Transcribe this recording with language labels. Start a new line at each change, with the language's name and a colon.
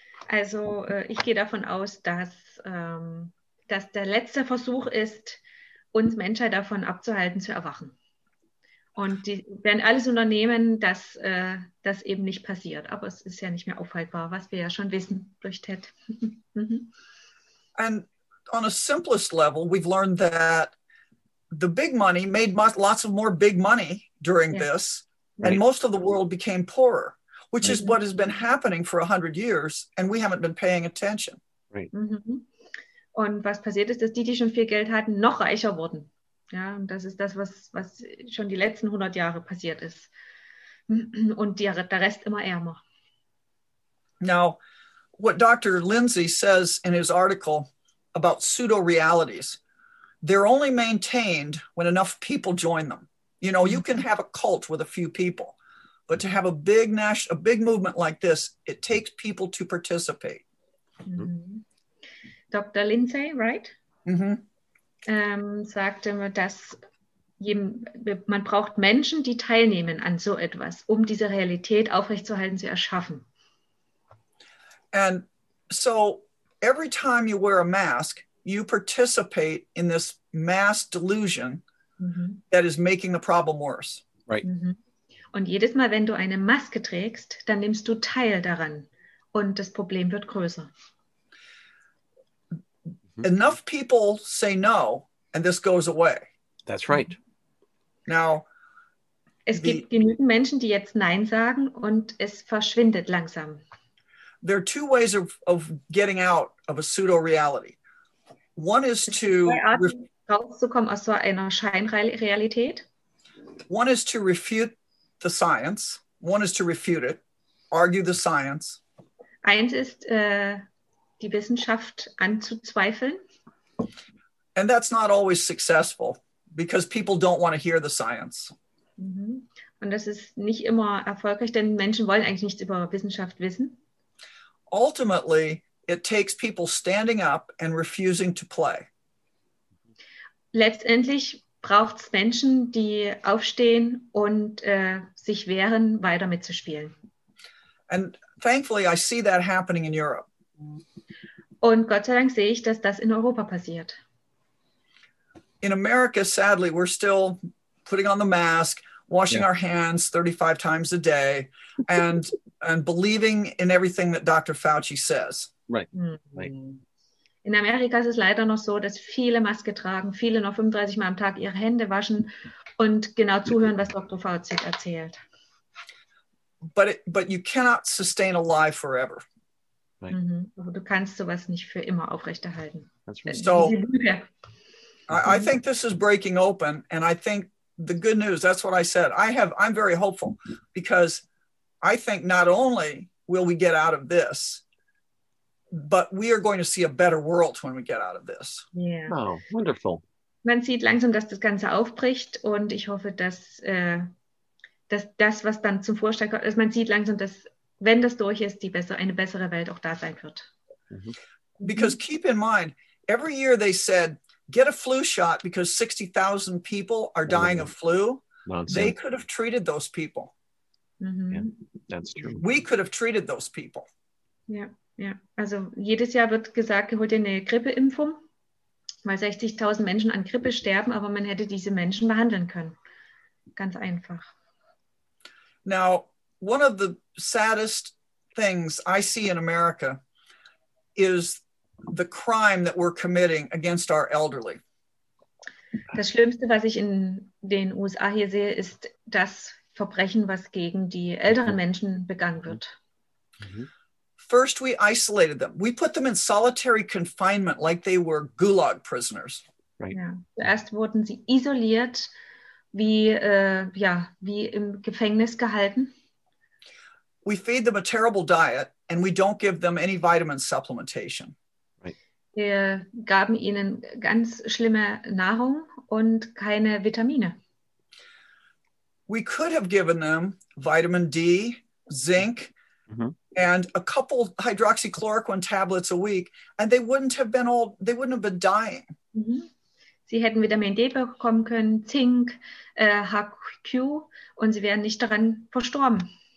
German: Also, ich gehe davon aus, dass der letzte Versuch ist, uns Menschheit davon abzuhalten, zu erwachen. Und die werden alles unternehmen, dass das eben nicht passiert. Aber es ist ja nicht mehr aufhaltbar, was wir ja schon wissen durch TED.
English: And on a simplest level, we've learned that the big money made lots of more big money during this, right. And most of the world became poorer, which is what has been happening for 100 years, and we haven't been paying attention. Right. Mm-hmm.
German: Und was passiert ist, dass die schon viel Geld hatten, noch reicher wurden. Ja, und das ist das, was schon die letzten 100 Jahre passiert ist. Und der Rest immer ärmer.
English: Now, what Dr. Lindsay says in his article about pseudo-realities, they're only maintained when enough people join them. You know, you can have a cult with a few people, but to have a big a big movement like this, it takes people to participate. Mm-hmm. Dr. Lindsay, right? Mm-hmm.
German: Sagte, dass man braucht Menschen, die teilnehmen an so etwas, um diese Realität aufrechtzuerhalten, zu erschaffen.
English: And so every time you wear a mask, you participate in this mass delusion that is making the problem worse. Right. Mm-hmm.
German: Und jedes Mal, wenn du eine Maske trägst, dann nimmst du teil daran und das Problem wird größer.
English: Enough people say no, and this goes away. That's right. Now,
German: es gibt genügend Menschen, die jetzt Nein sagen, und es verschwindet langsam.
English: There are two ways of getting out of a pseudo-reality. One is to
German: rauszukommen aus so einer Scheinrealität.
English: One is to refute the science. One is to refute it. Argue the science.
German: Eins ist die Wissenschaft anzuzweifeln.
English: And that's not always successful because people don't want to hear the science. Mm-hmm.
German: Und das ist nicht immer erfolgreich, denn Menschen wollen eigentlich nichts über Wissenschaft wissen.
English: Ultimately, it takes people standing up and refusing to play.
German: Letztendlich braucht es Menschen, die aufstehen und sich wehren, weiter mitzuspielen.
English: And thankfully, I see that happening in Europe.
German: Und Gott sei Dank sehe ich, dass das in Europa passiert.
English: In America, sadly, we're still putting on the mask, washing our hands 35 times a day, and and believing in everything that Dr. Fauci says. Right. Mm-hmm. Right.
German: In Amerika ist es leider noch so, dass viele Maske tragen, viele noch 35 Mal am Tag ihre Hände waschen und genau zuhören, was Dr. Fauci erzählt.
English: But you cannot sustain a lie forever. Right.
German: Mm-hmm. Du kannst sowas nicht für immer aufrechterhalten.
English: That's right. I think this is breaking open, and I think the good news, that's what I said. I'm very hopeful, because I think not only will we get out of this, but we are going to see a better world when we get out of this. Yeah. Oh, wonderful.
German: Man sieht langsam, dass das Ganze aufbricht, und ich hoffe, dass dass was dann zum Vorschein kommt, dass man sieht langsam, dass wenn das durch ist, eine bessere Welt auch da sein wird. Mm-hmm.
English: Because keep in mind, every year they said, get a flu shot because 60,000 people are dying of flu. Nonsense. They could have treated those people. Mm-hmm. Yeah, that's true. We could have treated those people. Yeah.
German: Also jedes Jahr wird gesagt, hol dir eine Grippeimpfung, weil 60,000 Menschen an Grippe sterben, aber man hätte diese Menschen behandeln können. Ganz einfach.
English: Now, one of the saddest things I see in America is the crime that we're committing against our elderly.
German: Das Schlimmste, was ich in den USA hier sehe, ist das Verbrechen, was gegen die älteren Menschen begangen wird.
English: First, we isolated them. We put them in solitary confinement like they were gulag prisoners. Right.
German: Ja. Zuerst wurden sie isoliert, wie im Gefängnis gehalten.
English: We feed them a terrible diet and we don't give them any vitamin supplementation.
German: Wir gaben ihnen ganz schlimme Nahrung und keine Vitamine.
English: We could have given them vitamin D, zinc, and a couple hydroxychloroquine tablets a week, and they wouldn't have been dying. Mm-hmm.
German: Sie hätten Vitamin D bekommen können, Zink, HQ, und sie wären nicht daran verstorben.